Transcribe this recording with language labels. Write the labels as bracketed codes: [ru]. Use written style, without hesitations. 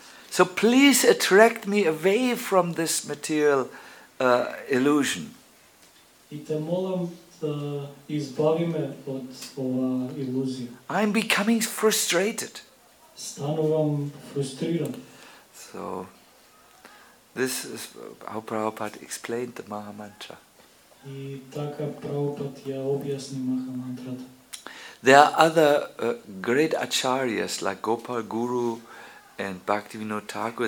[en] So please attract me away from this material illusion. [mk] I te molam избави ме од ова илузија. [en] I'm becoming frustrated. [mk] Станувам фрустриран. [en] So this is how Prabhupada explained the Maha Mantra. [mk] И така Прабхупад ја објасни Маха Мантрата. [en] There are other great acharyas like Gopal Guru and Bhaktivinoda Thakur.